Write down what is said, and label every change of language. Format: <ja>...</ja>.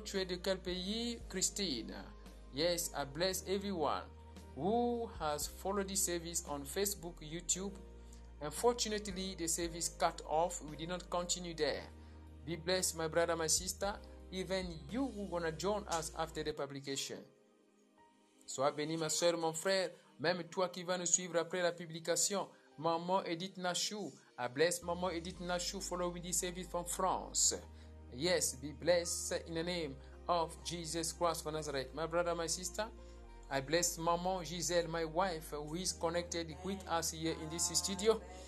<fr>Tu es de quel pays, Christine?</fr> <en>Yes, I bless everyone who has followed this service on Facebook, YouTube. Unfortunately, the service cut off. We did not continue there. Be blessed, my brother, my sister. even you who are going to join us after the publication.</en> <fr>Sois béni, ma soeur, mon frère, même toi qui vas nous suivre après la publication.</fr> <en>Maman Edith Nachou, I bless Maman Edith Nachou following this service from France. Yes, be blessed in the name of Jesus Christ of Nazareth. My brother, my sister, I bless Maman Giselle, my wife, who is connected with us here in this studio.</en>